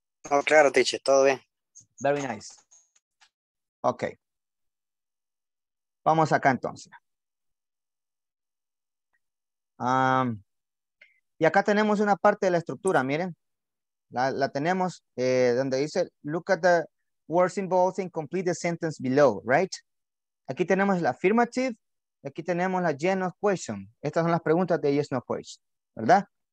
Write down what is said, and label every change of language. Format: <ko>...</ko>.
<es>No, claro, teacher, todo bien.</es> <en>Very nice. Okay.</en> <es>Vamos acá entonces. Y acá tenemos una parte de la estructura, miren. La tenemos donde dice,</es> <en>look at the words involved in complete the sentence below, right?</en> <es>Aquí tenemos la affirmative. Aquí tenemos la yes no question. Estas son las preguntas de yes no question, ¿verdad?</es>